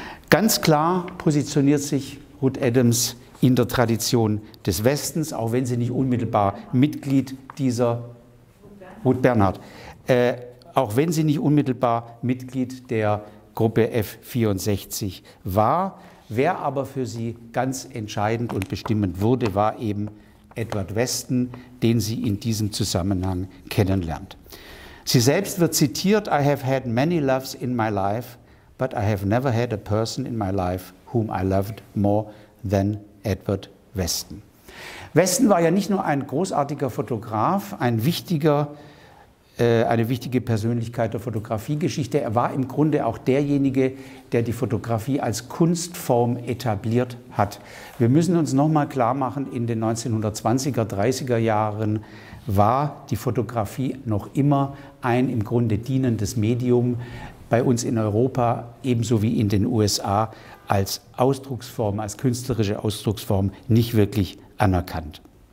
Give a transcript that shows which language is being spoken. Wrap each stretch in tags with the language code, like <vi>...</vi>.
<de>Ganz klar positioniert sich Ruth Adams in der Tradition des Westens, auch wenn sie nicht unmittelbar Mitglied dieser Ruth Bernhardt. Auch wenn sie nicht unmittelbar Mitglied der Gruppe F64 war, wer aber für sie ganz entscheidend und bestimmend wurde, war eben Edward Weston, den sie in diesem Zusammenhang kennenlernt. Sie selbst wird zitiert,</de> <en>I have had many loves in my life, but I have never had a person in my life whom I loved more than Edward Weston.</en> <de>Weston war ja nicht nur ein großartiger Fotograf, eine wichtige Persönlichkeit der Fotografiegeschichte. Er war im Grunde auch derjenige, der die Fotografie als Kunstform etabliert hat. Wir müssen uns nochmal klar machen, in den 1920er, 30er Jahren war die Fotografie noch immer ein im Grunde dienendes Medium, bei uns in Europa ebenso wie in den USA als Ausdrucksform, als künstlerische Ausdrucksform nicht wirklich anerkannt.</de>